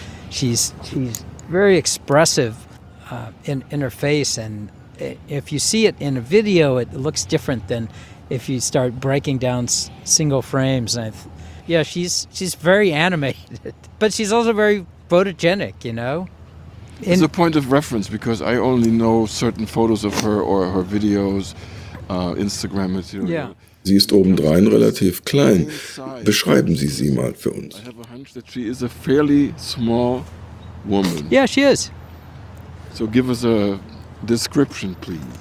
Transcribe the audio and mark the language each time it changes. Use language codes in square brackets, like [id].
[en] She's very expressive in her face, and if you see it in a video, it looks different than if you start breaking down single frames. And she's very animated, but she's also very photogenic, you know. In it's a point of reference, because I only know certain photos of her or her videos, Instagram material. Yeah. [de] Sie ist obendrein relativ klein. Beschreiben Sie sie mal für uns. [en] I have a hunch that she is a fairly small woman. Yeah, she is. So give us a description, please.